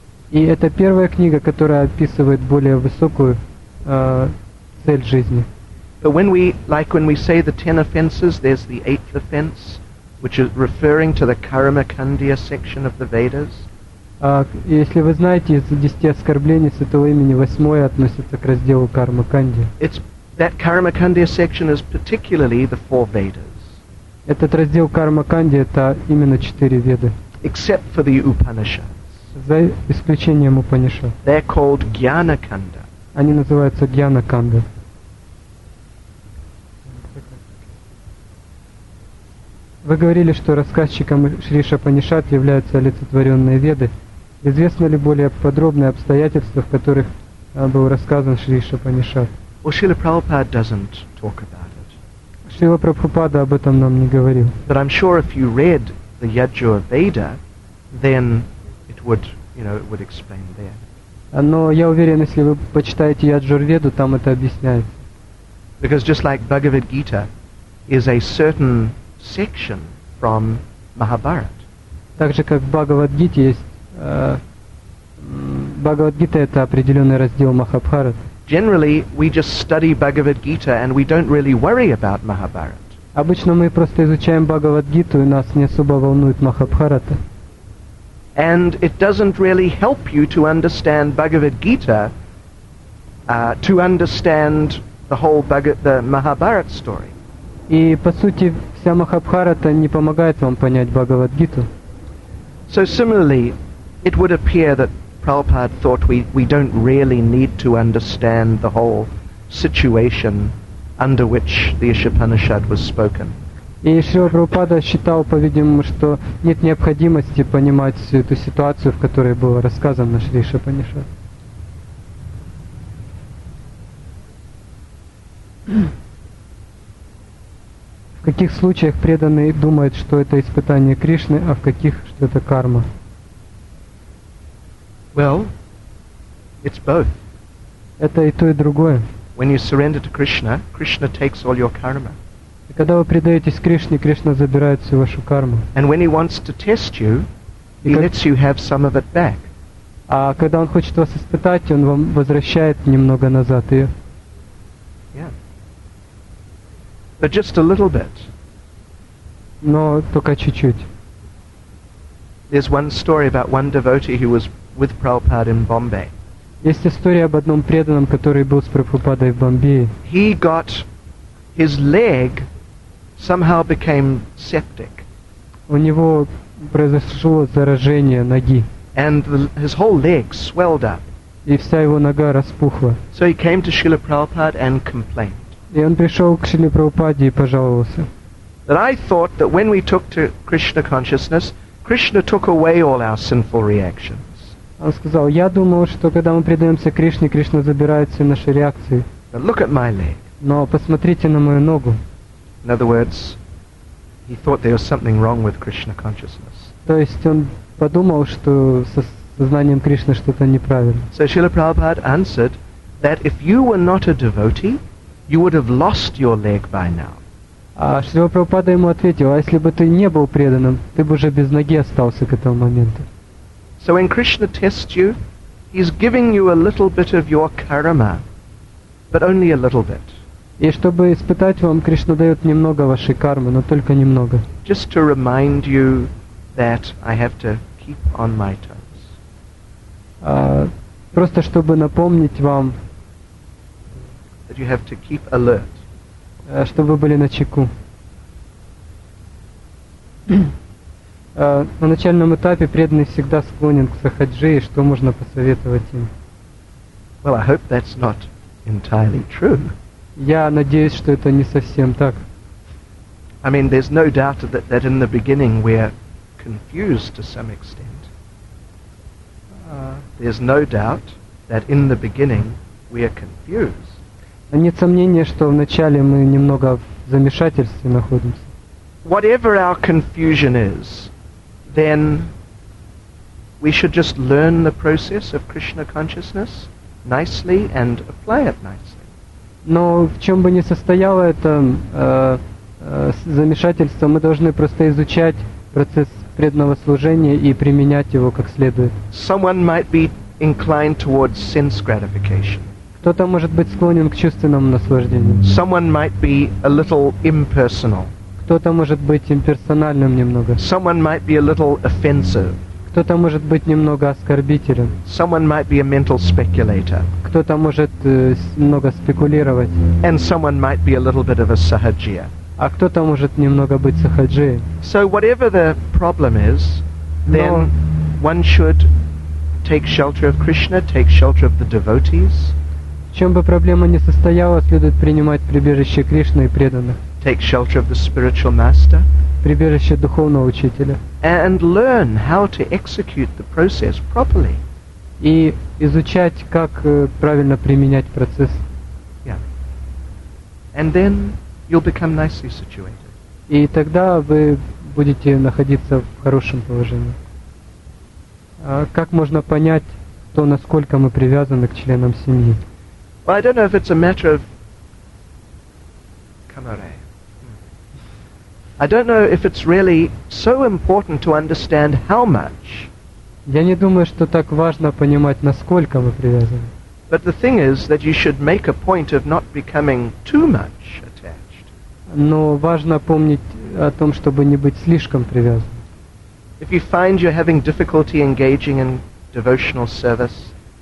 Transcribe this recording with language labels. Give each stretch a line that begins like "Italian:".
Russian: И это первая книга, которая описывает более высокую цель жизни.
English: But when we say the 10 offenses, there's the 8th offense, which is referring to the Karma Kandya section of the Vedas.
Russian: Если вы знаете, из 10 оскорблений святого имени, 8 относится к разделу Карма Канди.
English: It's that Karma Kandya section is particularly the 4 Vedas.
Russian: Этот раздел Карма Канди — это именно 4 Веды.
English: Except for the Upanishads.
Russian: За исключением Упанишад.
English: They're called Gyana Kanda.
Russian: Они называются Gyana Kanda. Вы говорили, что рассказчиком Шри Шапанишат являются олицетворенные Веды. Известны ли более подробные обстоятельства, в которых был рассказан Шри Шапанишат?
English: Well, Srila Prabhupada doesn't talk about it.
Russian: Шрила Прабхупада об этом нам не говорил.
English: But I'm sure if you read the Yajurveda, then it would, you know, it would explain there.
Russian: Но я уверен, если вы почитаете Яджурведу, там это объясняется.
English: Because just like Bhagavad Gita is a certain section from Mahabharata.
Russian: Так же как Бхагавад Гита есть Бхагавад Гита это определенный раздел Махабхарат.
English: Generally, we just study Bhagavad Gita and we don't really worry about Mahabharata.
Russian: Обычно мы просто изучаем Бхагавад Гиту и нас не особо волнует Махабхарата.
English: And it doesn't really help you to understand Bhagavad Gita to understand the whole the Mahabharata story.
Russian: И по сути вся Махабхарата не помогает вам понять Бхагавад Гиту.
English: So similarly, it would appear that Prabhupada thought we don't really need to understand the whole situation under which the Ishapanishad was spoken.
Russian: И Шрила Прабхупада считал, по-видимому, что нет необходимости понимать всю эту ситуацию, в которой был рассказан наш Ишапанишад. В каких случаях преданный думает, что это испытание Кришны, а в каких, что это карма?
English: Well, it's both.
Russian: Это и то, и другое.
English: When you surrender to Krishna, Krishna takes all your karma.
Russian: И когда вы предаетесь Кришне, Кришна забирает всю вашу карму.
English: And when he wants to test you, he lets you have some of it back.
Russian: А когда он хочет вас испытать, он вам возвращает немного назад ее.
English: Yeah. But just a little bit.
Russian: Но только чуть-чуть.
English: There's one story about one devotee who was with Prabhupada in Bombay.
Russian: Есть история об одном преданном, который был с Прабхупадой в Бомбее.
English: He got his leg somehow became septic.
Russian: У него произошло заражение ноги.
English: And his whole leg swelled up.
Russian: И вся его нога распухла.
English: So he came to Srila Prabhupada and complained.
Russian: И он пришел к Шриле Прабхупаде и пожаловался.
English: That I thought that when we took to Krishna consciousness, Krishna took away all our sinful reactions.
Russian: Он сказал, я думал, что когда мы предаемся Кришне, Кришна забирает все наши реакции.
English: But look at my leg.
Russian: Но посмотрите на мою ногу.
English: In other words, he thought there was something wrong with Krishna consciousness.
Russian: То есть он подумал, что со сознанием Кришны что-то неправильно.
English: So Srila Prabhupada answered that if you were not a devotee, you would have lost your leg by now.
Russian: А Шрила Прабхупада ему ответил, а если бы ты не был преданным, ты бы уже без ноги остался к этому моменту.
English: So when Krishna tests you, he's giving you a little bit of your karma, but only a little bit.
Russian: И чтобы испытать вам, Кришна дает немного вашей кармы, но только немного.
English: Just to remind you that I have to keep on my toes.
Russian: Просто чтобы напомнить вам,
English: that you have to keep alert.
Russian: Чтобы вы были на чеку. На начальном этапе преданный всегда склонен к сахаджи, и что можно посоветовать им?
English: Well, I hope that's not entirely true.
Russian: Я надеюсь, что это не совсем так.
English: I mean, there's no doubt that in the beginning we're confused to some extent. There's no doubt that in the beginning we're confused.
Russian: Нет сомнения, что вначале мы немного в замешательстве находимся.
English: Whatever our confusion is, then we should just learn the process of Krishna consciousness nicely and apply it nicely.
Russian: Но в чем бы ни состояло это замешательство, мы должны просто изучать процесс преданного служения и применять его как следует.
English: Someone might be inclined towards sense gratification.
Russian: Кто-то может быть склонен к чувственному наслаждению.
English: Someone might be a little impersonal.
Russian: Кто-то может быть имперсональным немного.
English: Someone might be a little offensive.
Russian: Кто-то может быть немного оскорбителем.
English: Someone might be a mental speculator.
Russian: Кто-то может много спекулировать.
English: And someone might be a little bit of a sahajiya.
Russian: А кто-то может немного быть сахаджией.
English: So whatever the problem is, then one should take shelter of Krishna, take shelter of the devotees.
Russian: В чем бы проблема ни состояла, следует принимать прибежище Кришны и преданных.
English: Take shelter of the spiritual master.
Russian: Прибежище духовного учителя.
English: And learn how to execute the process properly.
Russian: И изучать, как правильно применять процесс.
English: Yeah. And then you'll become nicely situated.
Russian: И тогда вы будете находиться в хорошем положении. Как можно понять то, насколько мы привязаны к членам семьи?
English: Well, I don't know if it's a matter of
Russian: камере.
English: I don't know if it's really so important to understand how much.
Russian: Я не думаю, что так важно понимать, насколько вы привязаны.
English: But the thing is that you should make a point of not becoming too much attached.
Russian: Но важно помнить о том, чтобы не быть слишком привязанным.
English: If you find you're having difficulty engaging in devotional service,